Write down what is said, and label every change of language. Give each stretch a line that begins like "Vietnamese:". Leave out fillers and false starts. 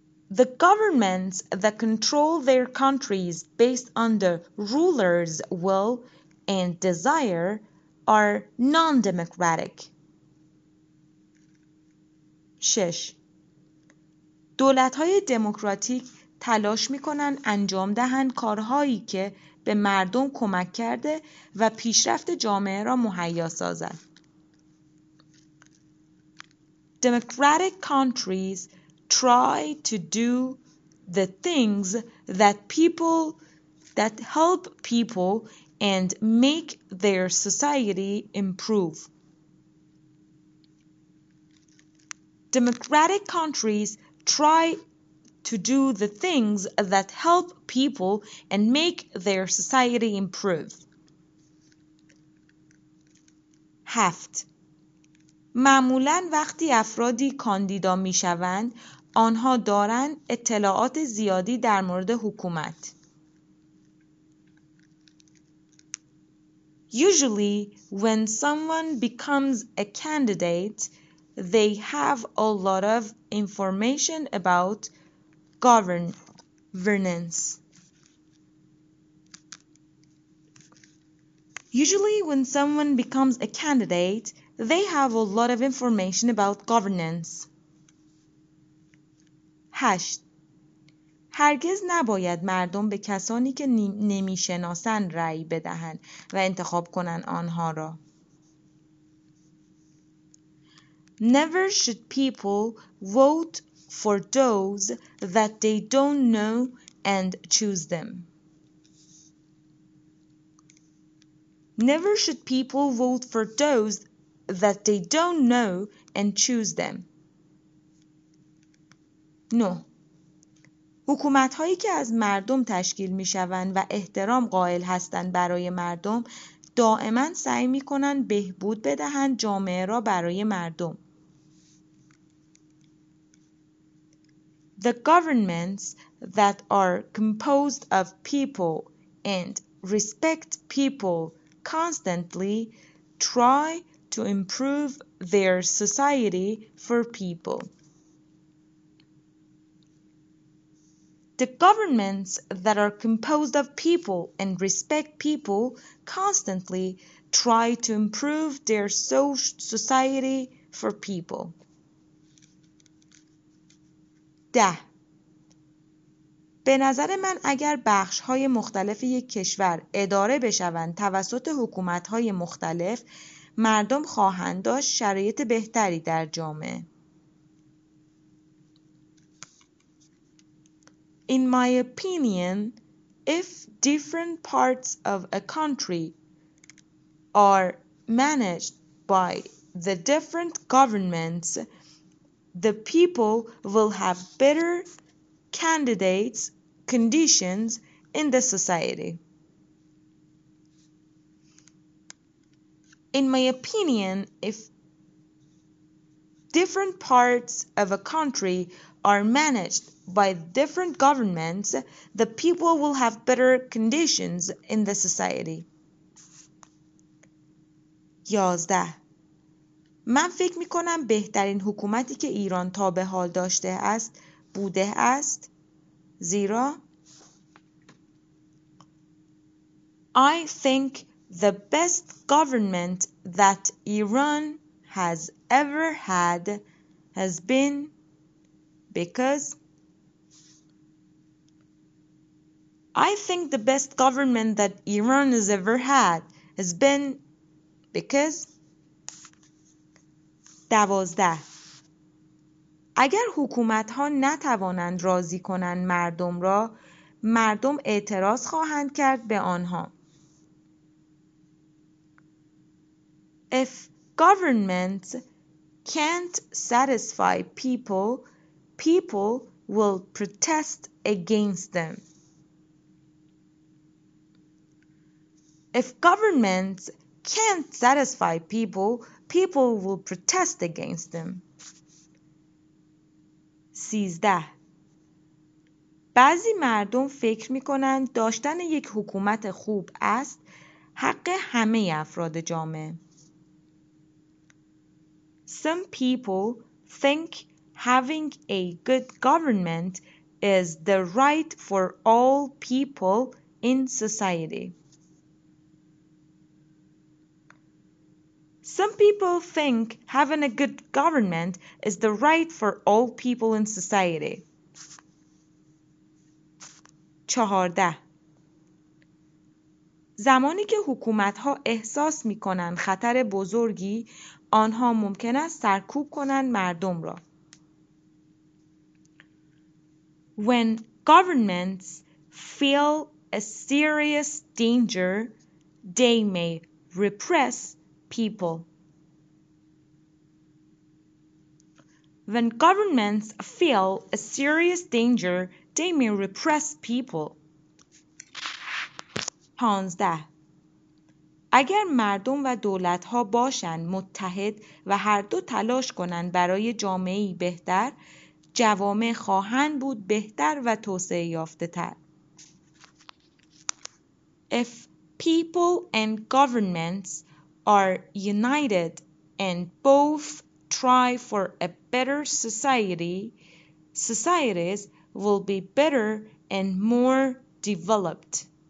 English: The governments that control their countries based on the rulers' will and desire are non-democratic. 6.
Persian: دولت‌های دموکراتیک تلاش می‌کنند انجام دهند کارهایی که به مردم کمک کرده و پیشرفت جامعه را مهیا سازد.
English: Democratic countries try to do the things that help people and make their society improve. Democratic countries try to do the things that help people and make their society improve. 7.
Persian: معمولاً وقتی افرادی کاندیدا میشوند، آنها دارند اطلاعات زیادی در مورد حکومت.
English: Usually, when someone becomes a candidate, they have a lot of information about governance. Usually, when someone becomes a candidate, they have a lot of information about governance. 8.
Persian: هرگز نباید مردم به کسانی که نمی‌شناسند رأی بدهند و انتخاب کنند آنها را.
English: Never should people vote for those that they don't know and choose them. Never should people vote for those that they don't know and choose them. 9.
Persian: حکومت‌هایی که از مردم تشکیل می‌شوند و احترام قائل هستند برای مردم، دائما سعی می‌کنند بهبود بدهند جامعه را برای مردم.
English: The governments that are composed of people and respect people constantly try to improve their society for people. The governments that are composed of people and respect people constantly try to improve their society for people.
Persian: ده. به نظر من اگر بخش های مختلف یک کشور اداره بشوند توسط حکومت های مختلف، مردم خواهند داشت شرایط بهتری در جامعه.
English: In my opinion, if different parts of a country are managed by the different governments, the people will have better candidates conditions in the society. In my opinion, if different parts of a country are managed by different governments, the people will have better conditions in the society. 11.
Persian: من فکر می‌کنم بهترین حکومتی که ایران تا به حال داشته است بوده است، زیرا
English: I think the best government that Iran has ever had has been because I think the best government that Iran has ever had has been because 12.
Persian: اگر حکومت‌ها نتوانند راضی کنند مردم را، مردم اعتراض خواهند کرد به آنها.
English: If governments can't satisfy people, people will protest against them. If governments can't satisfy people, people will protest against them. 13.
Persian: بعضی مردم فکر می‌کنند داشتن یک حکومت خوب است حق همه افراد جامعه.
English: Some people think having a good government is the right for all people in society. Some people think having a good government is the right for all people in society. 14.
Persian: زمانی که حکومت‌ها احساس می‌کنند خطر بزرگی، آنها ممکن است سرکوب کنند مردم را.
English: When governments feel a serious danger, they may repress people. When governments feel a serious danger, they may repress people. 15.
Persian: اگر مردم و دولت‌ها باشند متحد و هر دو تلاش کنند برای جامعه‌ای بهتر، جوامع خواهند بود بهتر و توسعه یافته‌تر.
English: If people and governments are united and both try for a better society, societies will be better and more developed.